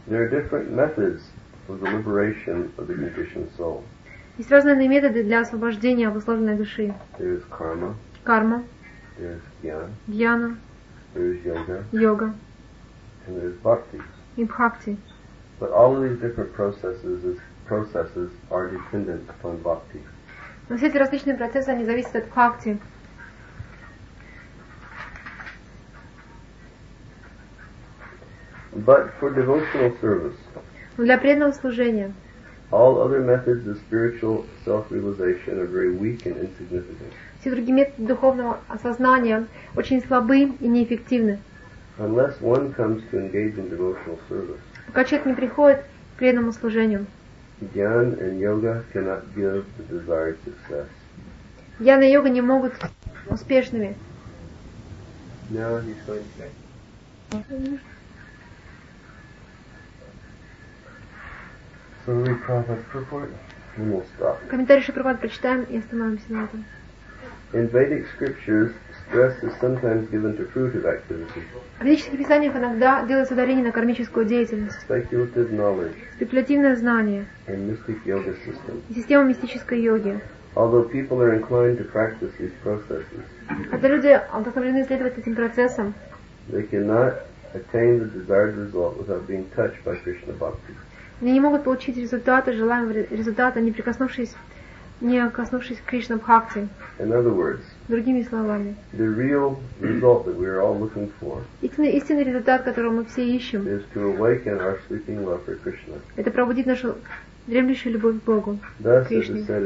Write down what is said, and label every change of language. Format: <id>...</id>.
<en>There are different methods for the liberation of the conditioned soul.</en> <ru>Есть разные методы для освобождения обусловленной души.</ru> <en>There is karma.</en> <ru>Карма.</ru> <en>There is jnana.</en> <ru>Jnana.</ru> <en>There is yoga.</en> <ru>Йога.</ru> <en>And there is bhakti.</en> <ru>И бхакти.</ru> <en>But all of these different processes are dependent upon bhakti.</en> <ru>Но все эти различные процессы, они зависят от бхакти.</ru> <en>But for devotional service.</en> <ru>Но для преданного служения.</ru> <en>All other methods of spiritual self-realization are very weak and insignificant.</en> <ru>Все другие методы духовного осознания очень слабы и неэффективны.</ru> <en>Unless one comes to engage in devotional service.</en> <ru>Пока человек не приходит к преданному служению.</ru> <en>Jnana and yoga cannot give the desired success.</en> <ru>Jnana и йога не могут успешными.</ru> <en>No, he's going to say. So we Prabhupada's purport, and we'll stop.</en> <ru>Комментарий Шри Прабхупады прочитаем и остановимся на этом.</ru> <en>In Vedic scriptures, stress is sometimes given to fruitive activity.</en> <ru>В ведических писаниях иногда делается ударение на кармическую деятельность.</ru> <en>Speculative knowledge.</en> <ru>Спекулятивное знание.</ru> <en>And mystic yoga system.</en> <ru>И система мистической йоги.</ru> <en>Although people are inclined to practice these processes.</en> <ru>Хотя люди вдохновлены следовать этим процессам.</ru> <en>They cannot attain the desired result without being touched by Krishna bhakti.</en> <ru>Они не могут получить результаты, желаемого результата, не прикоснувшись, не коснувшись к Кришна Бхакти.</ru> <en>In other words,</en> <ru>другими словами,</ru> <en>the real result that we are all looking for,</en> <ru>истинный результат, которого мы все ищем,</ru> <en>is to awaken our sleeping love for Krishna.</en> <ru>Это пробудить нашу дремлющую любовь к Богу, к Кришне.</ru>